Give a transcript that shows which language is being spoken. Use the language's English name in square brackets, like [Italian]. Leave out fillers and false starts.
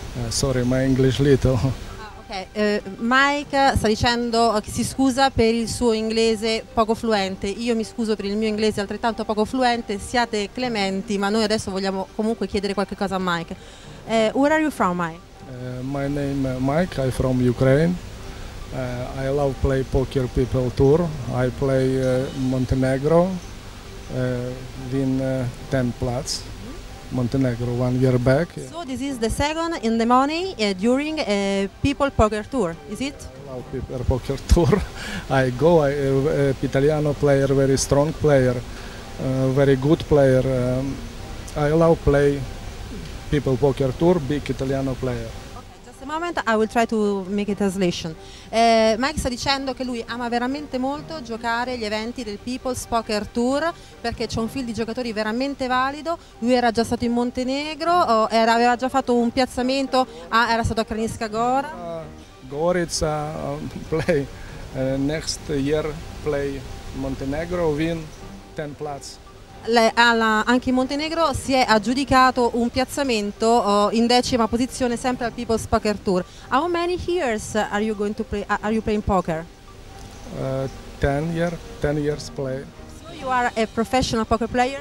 [English] Sorry, my English little. [Italian] Mike sta dicendo che si scusa per il suo inglese poco fluente. Io mi scuso per il mio inglese altrettanto poco fluente. Siate clementi, ma noi adesso vogliamo comunque chiedere qualche cosa a Mike. [English] Where are you from, Mike? My name is Mike. I'm from Ukraine. I love play Poker People Tour. I play Montenegro, win 10 plus. Montenegro 1 year back. So this is the second in the money during People Poker Tour, is it? I love People Poker Tour. I go, Italiano player, very strong player, very good player. I love play People Poker Tour, big Italiano player. Moment, I will try to make a translation. [Italian] Mike sta dicendo che lui ama veramente molto giocare gli eventi del People's Poker Tour perché c'è un field di giocatori veramente valido. Lui era già stato in Montenegro, aveva già fatto un piazzamento, era stato a Kranjska Gora. [English] Gorica play next year, play Montenegro, win 10 plus. [Italian] Anche in Montenegro si è aggiudicato un piazzamento in decima posizione sempre al People's Poker Tour. [English] How many years are you going to play? Are you playing poker? 10 years play. So you are a professional poker player?